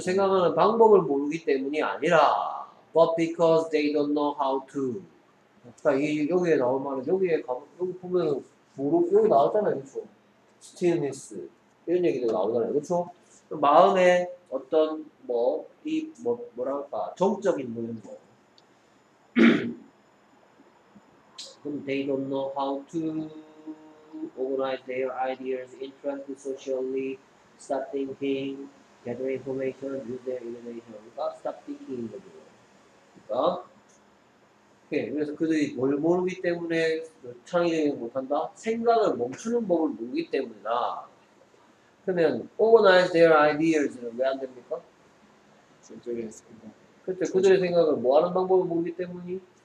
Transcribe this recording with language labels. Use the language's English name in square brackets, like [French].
[English] 생각하는 방법을 모르기 때문이 아니라 but because they don't know how to. [Korean] 그러니까 여기에 나올 말은 여기 보면 여기 나왔잖아요. 그쵸? stillness 이런 얘기도 나오잖아요. 그쵸? 마음의 어떤 뭐 이 뭐랄까 정적인 뭐 이런 거. [English] 그럼 they don't know how to organize their ideas, interact socially, start thinking, gather information, use their imagination. [Korean] 그러니까 start thinking 이거죠. 그러니까 오케이. 그래서 그들이 뭘 모르기 때문에 창의적이지 못한다. 생각을 멈추는 법을 모르기 때문이다. 그러면 organize their ideas 는 왜 안 됩니까? 정적인 생각. 그렇죠. 그들의 생각을 뭐 하는 방법을 모르기 때문이?